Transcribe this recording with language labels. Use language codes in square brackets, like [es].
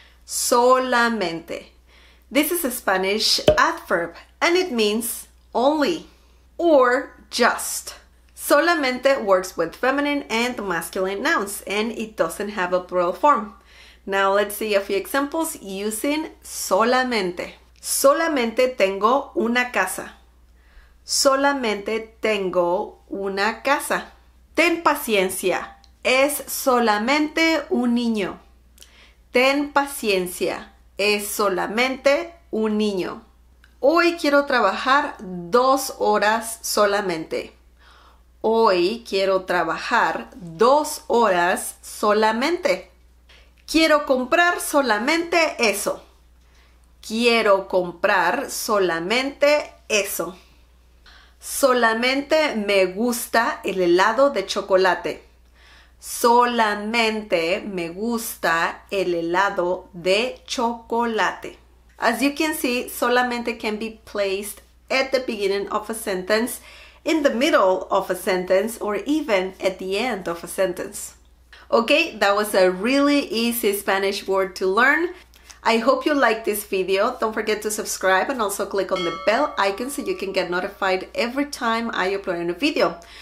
[en] Solamente. This is a Spanish adverb and it means only or just. Solamente works with feminine and masculine nouns and it doesn't have a plural form. Now let's see a few examples using solamente. [es] Solamente tengo una casa. Solamente tengo una casa. Ten paciencia. Es solamente un niño. Ten paciencia. Es solamente un niño. Hoy quiero trabajar 2 horas solamente. Hoy quiero trabajar 2 horas solamente. Quiero comprar solamente eso. Quiero comprar solamente eso. Solamente me gusta el helado de chocolate. Solamente me gusta el helado de chocolate. [en] As you can see, solamente can be placed at the beginning of a sentence, in the middle of a sentence, or even at the end of a sentence. Okay, that was a really easy Spanish word to learn. I hope you liked this video. Don't forget to subscribe and also click on the bell icon so you can get notified every time I upload a new video.